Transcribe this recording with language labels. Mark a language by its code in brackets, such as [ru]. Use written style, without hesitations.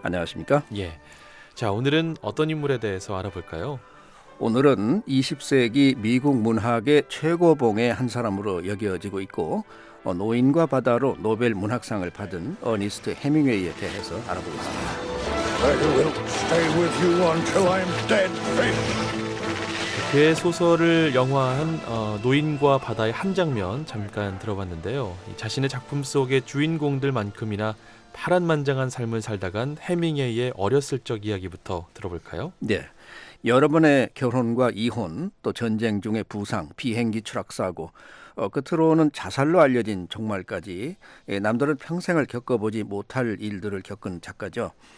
[ko] 안녕하십니까? 예. 자, 오늘은 어떤 인물에 대해서 알아볼까요? 오늘은 20세기 미국 문학의 최고봉의 한 사람으로 여겨지고 있고 노인과 바다로 노벨 문학상을 받은 어니스트 헤밍웨이에 대해서 알아보겠습니다. [en] I will stay with you until I'm dead fish. [ko] 그의 소설을 영화한 노인과 바다의 한 장면 잠깐 들어봤는데요. 자신의 작품 속의 주인공들만큼이나 파란만장한 삶을 살다간 헤밍웨이의 어렸을 적 이야기부터 들어볼까요? 네. 여러 번의 결혼과 이혼, 또 전쟁 중의 부상, 비행기 추락사고, 끝으로는 자살로 알려진 종말까지 남들은 평생을 겪어보지 못할 일들을 겪은 작가죠.